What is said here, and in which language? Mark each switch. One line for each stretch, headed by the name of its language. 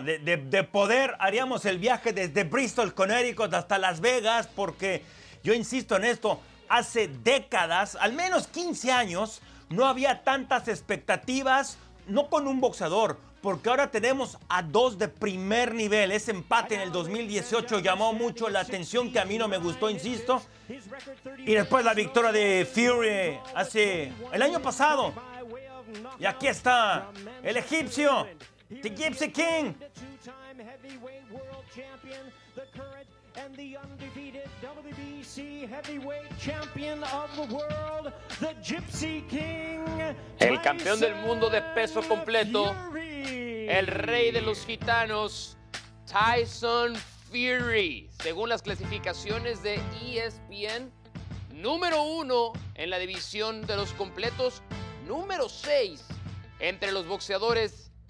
Spanish: De poder haríamos el viaje desde Bristol, Connecticut hasta Las Vegas, porque yo insisto en esto, hace décadas, al menos 15 años, no había tantas expectativas, no con un boxeador, porque ahora tenemos a dos de primer nivel. Ese empate en el 2018 llamó mucho la atención, que a mí no me gustó, insisto. Y después la victoria de Fury hace el año pasado. Y aquí está el egipcio.
English: The Gypsy King, the two-time heavyweight world champion, the current and the undefeated WBC heavyweight champion of the world, the Gypsy King.
Spanish: El campeón del mundo de peso completo, Fury. El rey de los gitanos, Tyson Fury. Según las clasificaciones de ESPN, número uno en la división de los completos, número seis entre los boxeadores.